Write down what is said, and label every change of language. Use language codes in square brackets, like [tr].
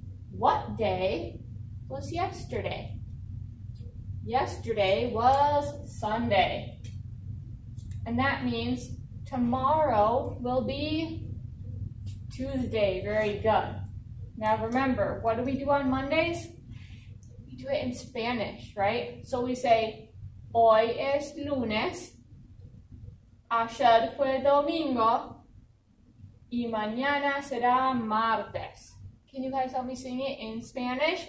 [en] What day was yesterday? Yesterday was Sunday. And that means tomorrow will be Tuesday. Very good. Now remember, what do we do on Mondays? We do it in Spanish, right? So we say, [es] hoy es lunes, ayer fue domingo, y mañana será martes. [en] Can you guys help me sing it in Spanish?